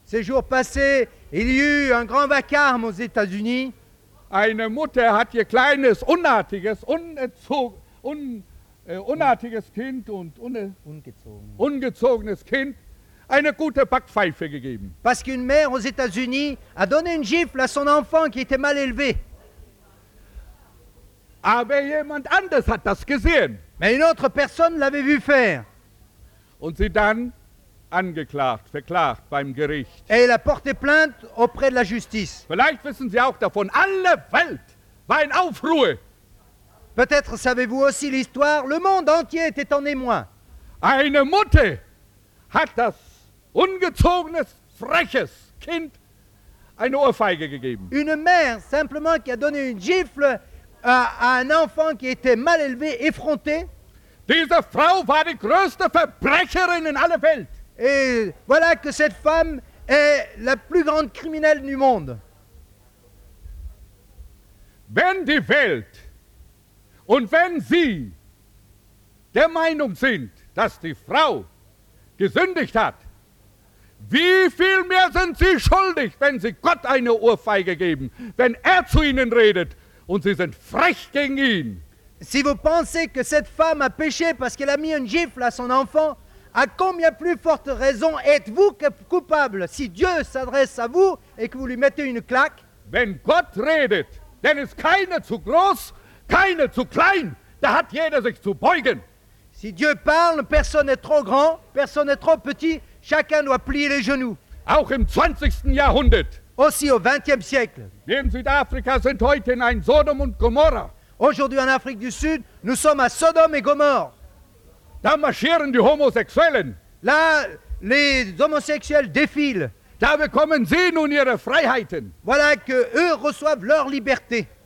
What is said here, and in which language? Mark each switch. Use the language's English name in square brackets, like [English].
[French] Ces jours passés, il y eut un grand vacarme aux États-Unis. [German] Eine Mutter hat ihr kleines, unartiges, unartiges Kind und ungezogenes Kind eine gute Backpfeife gegeben. [French] Parce qu'une mère aux États-Unis a donné une gifle à son enfant qui était mal élevé. [German] Aber jemand anders hat das gesehen. [French] Mais une autre personne l'avait vu faire. [German] Und sie dann angeklagt, verklagt beim Gericht. [French] Et elle a porté plainte auprès de la justice. [German] Vielleicht wissen Sie auch davon, alle Welt war in Aufruhr. [French] Peut-être savez-vous aussi l'histoire, le monde entier était en émoi. [German] Eine Mutter hat das ungezogenes, freches Kind eine Ohrfeige gegeben. [French] Une mère simplement qui a donné une gifle à un enfant qui était mal élevé, effronté. [German] Diese Frau war die größte Verbrecherin in aller Welt. [French] Et voilà que cette femme est la plus grande criminelle du monde. [German] Wenn die Welt und wenn Sie der Meinung sind, dass die Frau gesündigt hat, wie viel mehr sind Sie schuldig, wenn Sie Gott eine Ohrfeige geben, wenn er zu Ihnen redet und Sie sind frech gegen ihn? [French] Si vous pensez que cette femme a péché parce qu'elle a mis une gifle à son enfant, à combien plus forte raison êtes-vous coupable si Dieu s'adresse à vous et que vous lui mettez une claque? [German] Wenn Gott redet, dann ist keiner zu groß, keiner zu klein, da hat jeder sich zu beugen. [French] Si Dieu parle, personne n'est trop grand, personne n'est trop petit. Chacun doit plier les genoux. [German] Auch im 20. Jahrhundert. [French] Aussi au 20e siècle. [German] Wir in Südafrika sind heute in ein Sodom und Gomorra. [French] Aujourd'hui en Afrique du Sud, nous sommes à Sodome et Gomorre. [German] Da marschieren die Homosexuellen. [French] Là, les homosexuels défilent. [German] Da bekommen sie nun ihre Freiheiten. [French] Voilà que eux reçoivent leur liberté.